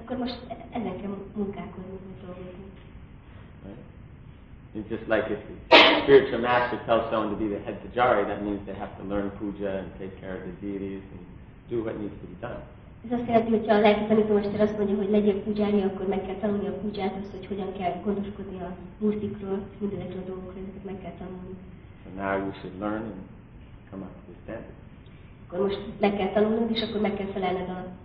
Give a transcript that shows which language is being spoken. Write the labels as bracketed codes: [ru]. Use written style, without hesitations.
[hu] Akkor most ezen kell munkálkodni, hogy dolgozni. [en] Right? It's just like if the spiritual master tells someone to be the head pujari, that means they have to learn puja and take care of the deities and do what needs to be done. [hu] Ez azt jelenti, hogyha a lelki tanítómester azt mondja, hogy legyél pujári, akkor meg kell tanulni a pujját, azt, hogy hogyan kell gondoskodni a murtikról, mindenekről a dolgokról, ezeket meg kell tanulni. [en] So now you should learn and come up to the standard. [hu] Akkor most meg kell tanulnod, és akkor meg kell felelned a